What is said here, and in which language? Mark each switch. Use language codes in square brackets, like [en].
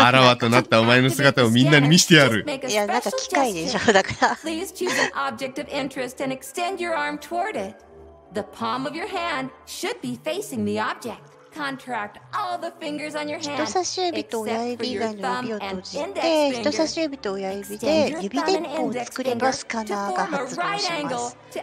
[ja] あらわとなったお前の姿をみんなに見せてやる。いや、なんか機械でしょ、だから。 [en] Please choose an object of interest and extend your arm toward it. The palm of your hand should be facing the object. [ja] 人差し指と親指以外の指を閉じて、人差し指と親指で指電報を作ればスカナーが発動します。